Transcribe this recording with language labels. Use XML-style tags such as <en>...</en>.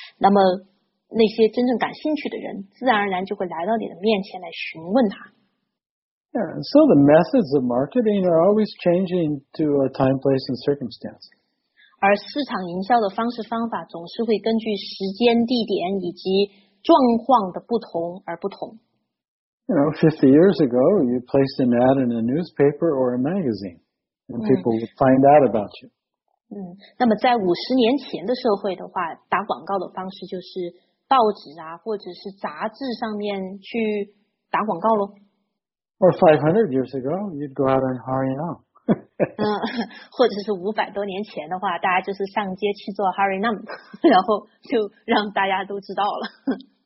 <zh>那么那些真正感兴趣的人，自然而然就会来到你的面前来询问他。</zh> <en>Yeah, so the methods of marketing are always changing to a time, place, and circumstance.</en> <zh>而市场营销的方式方法总是会根据时间、地点以及状况的不同而不同。</zh> <en>50 years ago, you placed an ad in a newspaper or a magazine, and people would find out about you.</en> <zh>那么在50年前的社会的话，打广告的方式就是报纸啊，或者是杂志上面去打广告咯。</zh> <en>Or 500 years ago, you'd go out and Harinam.</en> <zh>或者是500多年前的话，大家就是上街去做 Harinam， 然后就让大家都知道了。</zh>